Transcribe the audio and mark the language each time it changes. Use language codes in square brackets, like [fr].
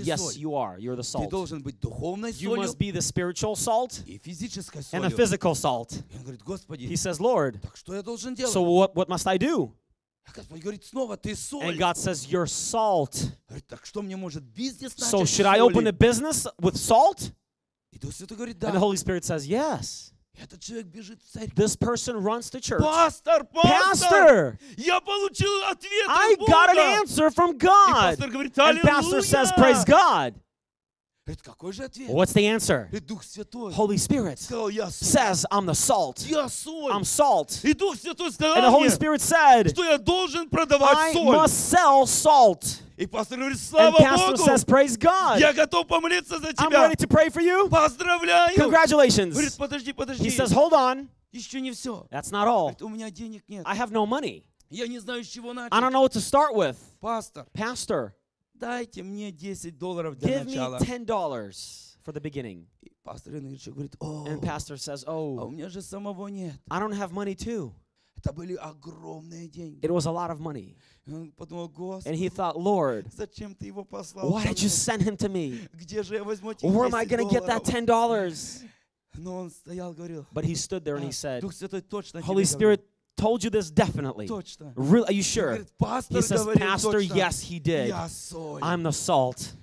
[en] yes, [ru] соль. [en] You are. You're the salt. [ru] Ты должен быть духовной солью. [en] You must be the spiritual salt. [ru] И физической солью. [en] And the physical salt. [ru] Он говорит, Господи. [en] He says, Lord. [ru] Так что я должен делать? [en] So what must I do? [ru] А Господь говорит, снова ты соль. [en] And God says, you're salt. [ru] Говорит, так что мне может бизнес начать? [en] So should I open a business with salt? [ru] И Дух Святой говорит, да. [en] And the Holy Spirit says, yes. [ru] Этот человек бежит в церковь. [en] This person runs to church. [ru] Пастор, пастор! [en] Pastor! [ru] Я получил ответ от Бога! [en] I got an answer from God! [ru] И пастор говорит, аллилуйя! [en] And pastor says, praise God! [ru] Это какой же ответ? [en] What's the answer? [ru] И Дух Святой. [en] Holy Spirit [ru] сказал, я соль. [en] Says, I'm the salt. [ru] Я соль. [en] I'm salt. [ru] И Дух Святой сказал мне, [en] And the Holy Spirit said, [ru] что я должен продавать [en] I [ru] соль. [en] I must sell salt. [ru] И пастор говорит, слава Богу! [en] And pastor [ru] Богу, [en] says, praise God! [ru] Я готов помолиться за тебя! [en] I'm ready to pray for you! [ru] Поздравляю! [en] Congratulations! [ru] Говорит, подожди, подожди! [en] He says, hold on! [ru] Еще не все! [en] That's not all! [ru] Это у меня денег нет! [en] I have no money! [ru] Я не знаю, с чего начать! [en] I don't know what to start with! [ru] Пастор! [en] Pastor! [ru] Дайте мне $10 для [en] give [ru] начала! [en] Give me $10 for the beginning! [ru] И пастор иначе говорит, о! [en] And pastor says, oh! [ru] А у меня же самого нет! [en] I don't have money too! [ru] Это были огромные деньги! [en] It was a lot of money! And he thought, Lord, why did you send him to me? Where am I going to get that $10? But he stood there and he said, Holy Spirit told you this definitely. Really, are you sure? He says, Pastor, yes, he did. I'm the salt.